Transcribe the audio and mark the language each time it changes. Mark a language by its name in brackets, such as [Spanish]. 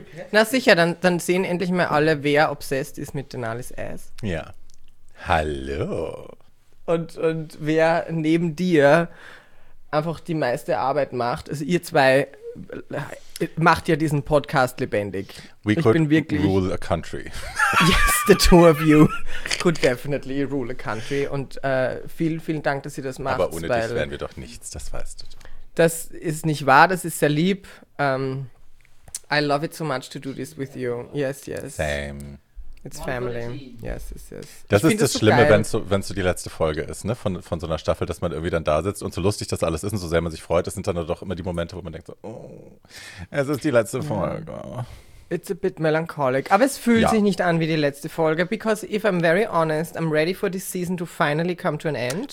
[German] Na sicher, dann sehen endlich mal alle, wer obsessed ist mit Denalis Ass. Ja. Hallo. Und wer neben dir einfach die meiste Arbeit macht. Also ihr zwei macht ja diesen Podcast lebendig. [English] Rule a country. Yes, the two of you could definitely rule a country. [German] Und vielen, vielen Dank, dass ihr das macht. Aber ohne dich wären wir doch nichts, das weißt du. Das ist nicht wahr, das ist sehr lieb. [English] I love it so much to do this with you. Yes, yes. Same. It's family. Yes, yes, yes. [German] Das ist das Schlimme, wenn's so die letzte Folge ist, ne, von so einer Staffel, dass man irgendwie dann da sitzt und so lustig das alles ist und so sehr man sich freut, das sind dann doch immer die Momente, wo man denkt so, oh, es ist die letzte Folge. [English] It's a bit melancholic. [German] Aber es fühlt sich nicht an wie die letzte Folge, [English] because if I'm very honest, I'm ready for this season to finally come to an end.